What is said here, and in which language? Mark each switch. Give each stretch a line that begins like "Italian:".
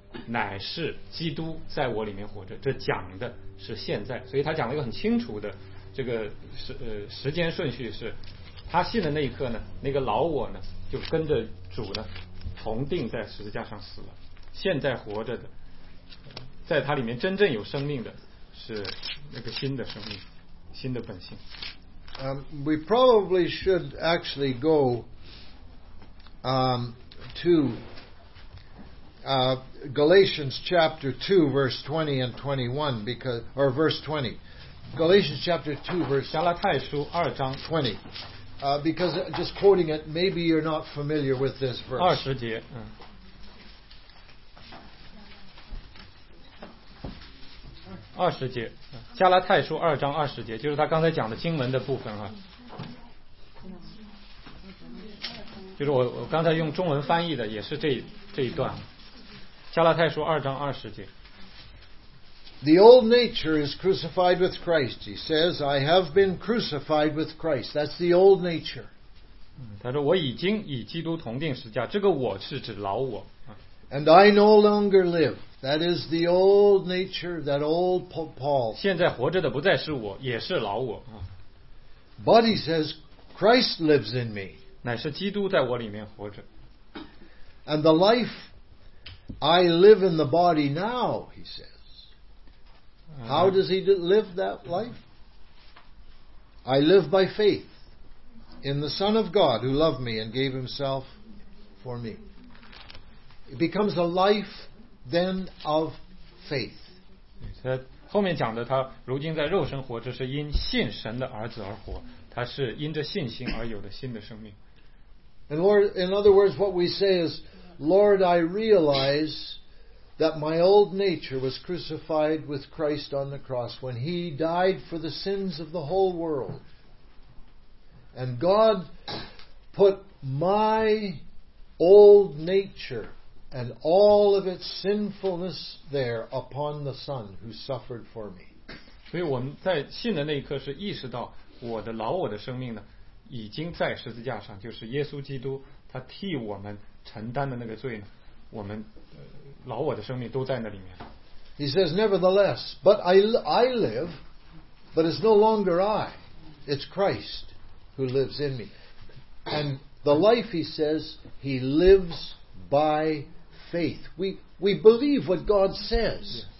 Chinese: 乃是基督在我里面活着，这讲的是现在，所以他讲了一个很清楚的这个时间顺序，是他信的那一刻呢，那个老我呢就跟着主呢同定在十字架上死了，现在活着的在他里面真正有生命的是那个新的生命，新的本性。
English: We probably should actually go toGalatians chapter 2 verse 20 and 21 or verse 20 Galatians chapter 2 verse
Chinese: 加拉太书二章20
English: because just quoting it, maybe you're not familiar with this verse.
Chinese: 二十节，二十节，加拉太书二章二十节，就是他刚才讲的经文的部分啊，就是我刚才用中文翻译的也是这一段。加拉太书二章二十节。
English: The old nature is crucified with Christ. He says, I have been crucified with Christ. That's the old nature.
Chinese: 他说我已经与基督同定十字架，这个我是指老我。
English: And I no longer live. That is the old nature, that old Paul.
Chinese: 现在活着的不再是我，也是老我。
English: But he says, Christ lives in me.
Chinese: 乃是基督在我里面活着。
English: And the lifeI live in the body now, he says. How does he live that life? I live by faith in the Son of God who loved me and gave himself for me. It becomes a life then of faith.
Chinese: 他后面讲的他如今在肉身活，这是因信神的儿子而活，他是因着信心而有的新的生命。
English: And Lord, in other words, what we say isLord, I realize that my old nature was crucified with Christ on the cross when he died for the sins of the whole world. And God put my old nature and all of its sinfulness there upon the Son who suffered for me.
Chinese: 所以我们在信的那一刻是意识到我的老我的生命呢已经在十字架上，就是耶稣基督他替我们承担的那个罪呢，我们老我的生命都在那里面。
English: He says, nevertheless, but I live, but it's no longer I, it's Christ who lives in me. And the life, he says, he lives by faith. We believe what God says.